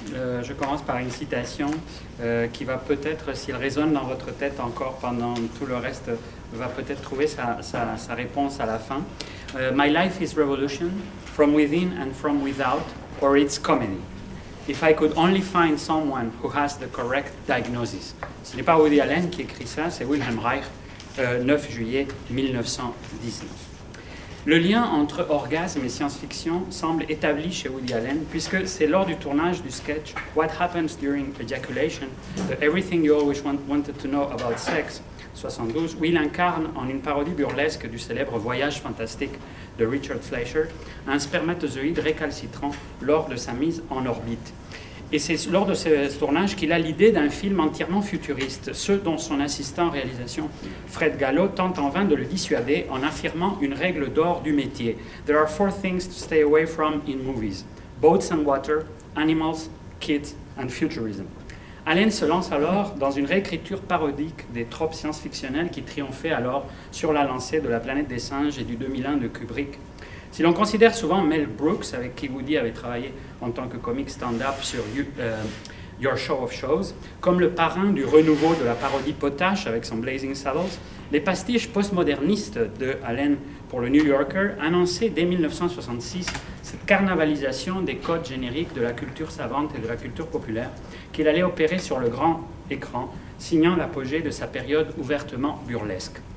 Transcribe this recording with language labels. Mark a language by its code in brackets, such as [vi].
[fr] je commence par une citation qui va peut-être, s'il résonne dans votre tête encore pendant tout le reste, va peut-être trouver sa réponse à la fin. [en] My life is revolution, from within and from without, or it's comedy. If I could only find someone who has the correct diagnosis. [fr] Ce n'est pas Woody Allen qui écrit ça, c'est Wilhelm Reich, 9 juillet 1919. Le lien entre orgasme et science-fiction semble établi chez Woody Allen, puisque c'est lors du tournage du sketch What Happens During Ejaculation, the Everything You Always Wanted to Know About Sex, 72, où il incarne en une parodie burlesque du célèbre Voyage Fantastique de Richard Fleischer, un spermatozoïde récalcitrant lors de sa mise en orbite. Et c'est lors de ce tournage qu'il a l'idée d'un film entièrement futuriste, ce dont son assistant en réalisation, Fred Gallo, tente en vain de le dissuader en affirmant une règle d'or du métier. [en] There are four things to stay away from in movies. Boats and water, animals, kids and futurism. [fr] Allen se lance alors dans une réécriture parodique des tropes science-fictionnelles qui triomphaient alors sur la lancée de La planète des singes et du 2001 de Kubrick. Si l'on considère souvent Mel Brooks, avec qui Woody avait travaillé en tant que comic stand-up sur Your Show of Shows, comme le parrain du renouveau de la parodie potache avec son Blazing Saddles, les pastiches postmodernistes de Allen pour le New Yorker annonçaient dès 1966 cette carnavalisation des codes génériques de la culture savante et de la culture populaire qu'il allait opérer sur le grand écran, signant l'apogée de sa période ouvertement burlesque.